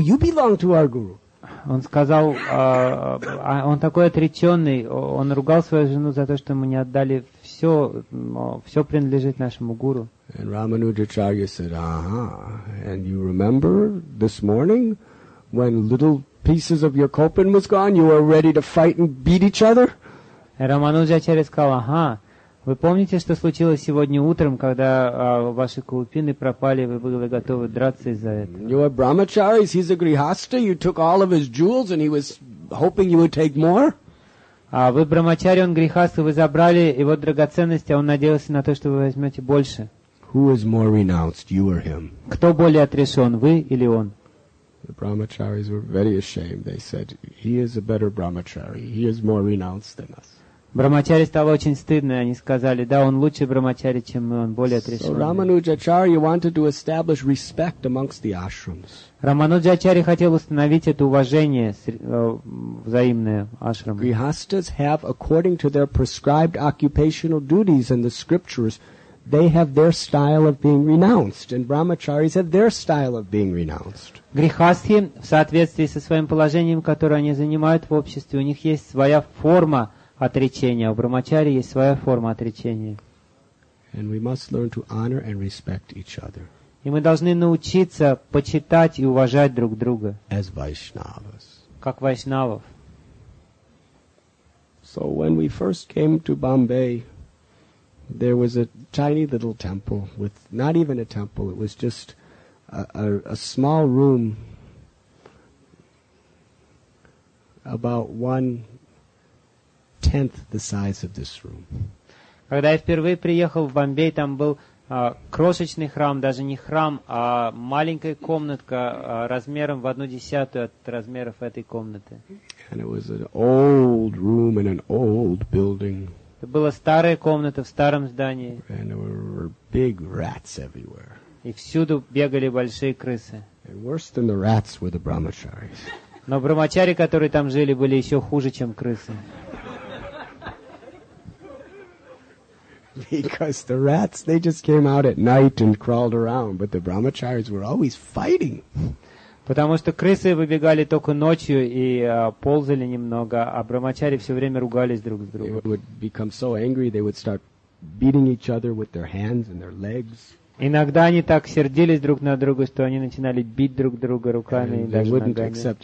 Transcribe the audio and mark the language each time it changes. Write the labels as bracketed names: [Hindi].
[English] You belong to our guru." [Russian] Он сказал, он такой отреченный, он ругал свою жену за то, что мы не отдали все, все принадлежит нашему гуру. [English] And Рамануджачарья said, "Aha, and you remember this morning when little pieces of your copan was gone, you were ready to fight and beat each other?" [Russian] Рамануджачарья сказал, "Ага, вы помните, что случилось сегодня утром, когда ваши купины пропали, вы были готовы драться из-за этого?" [English] You are brahmacharis, he's a grihastha, you took all of his jewels and he was hoping you would take more? [Russian] Вы брахмачари, он грихастха, вы забрали его драгоценности, а он надеялся на то, что вы возьмете больше. [English] Who is more renounced, you or him? [Russian] Кто более отрешен, вы или он? [English] The brahmacharis were very ashamed. They said, "He is a better brahmachari. He is more renounced than us." [Russian] Брахмачари стало очень стыдно, они сказали, да, он лучше брахмачари, чем мы, он более отрешенный. [English] So Рамануджачарья wanted to establish respect amongst the ashrams. [Russian] Рамануджачарья хотел установить это уважение взаимное ашрам. [English] Grihasthas have, according to their prescribed occupational duties and the scriptures, they have their style of being renounced, and brahmacharis have their style of being renounced. [Russian] Грихастхи, в соответствии со своим положением, которое они занимают в обществе, у них есть своя форма отречения. У брахмачари есть своя форма отречения. [English] And we must learn to honor and respect each other. [Russian] И мы должны научиться почитать и уважать друг друга. [English] As Vaishnavas. [Russian] Как вайшнавов. [English] So when we first came to Bombay, there was a tiny little temple with not even a temple. It was just a small room about 1/10 the size of this room. [Russian] Когда я впервые приехал в Бомбей, там был крошечный храм, даже не храм, а маленькая комнатка размером в 1/10 от размеров этой комнаты. [English] And it was an old room in an old building. [Russian] Это была старая комната в старом здании. [English] And there were big rats everywhere. [Russian] И всюду бегали большие крысы. [English] And worse than the rats were the brahmacharis. [Russian] Но брахмачари, которые там жили, были еще хуже, чем крысы. [English] Because the rats, they just came out at night and crawled around, but the brahmacharis were always fighting. [Russian] Потому что крысы выбегали только ночью и ползали немного, а брахмачари все время ругались друг с другом. [English] They would become so angry, they would start beating each other with their hands and their legs. [Russian] Иногда они так сердились друг на друга, что они начинали бить друг друга руками и даже ногами.